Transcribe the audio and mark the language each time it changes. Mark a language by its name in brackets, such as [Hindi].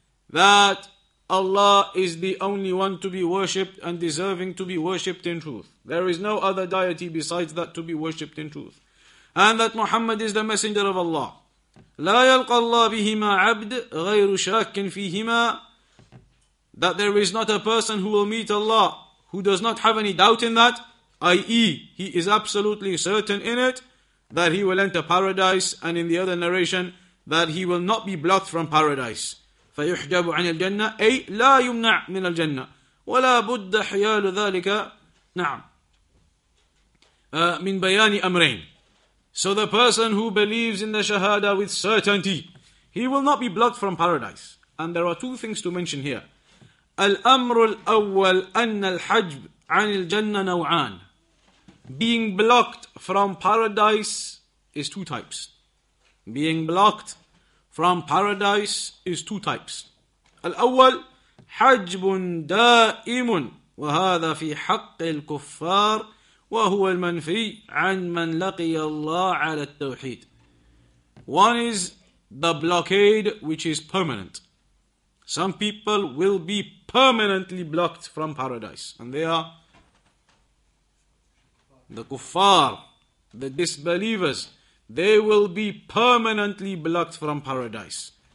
[English] that Allah is the only one to be worshipped and deserving to be worshipped in truth, there is no other deity besides that to be worshipped in truth, and that Muhammad is the messenger of Allah, [Arabic] لا يلقى الله بهما عبد غير شاك فيهما, [English] that there is not a person who will meet Allah who does not have any doubt in that, i.e. he is absolutely certain in it, that he will enter paradise, and in the other narration, that he will not be blocked from paradise. [Arabic] فَيُحْجَبُ عَنِ الْجَنَّةِ أي لا يمنع من الجنة ولا بد حيال ذلك نعم من بيان أمرين. [English] So the person who believes in the shahada with certainty, he will not be blocked from paradise. And there are two things to mention here. [Arabic] الأمر الأول أن الحجب عن الجنة نوعان. [English] Being blocked from paradise is two types. Being blocked from paradise is two types. [Arabic] الأول حجب دائم وهذا في حق الكفار وهو المنفي عن من لقي الله على التوحيد. [English] One is the blockade which is permanent. Some people will be permanently blocked from paradise. And they are the kuffar, the disbelievers. They will be permanently blocked from paradise.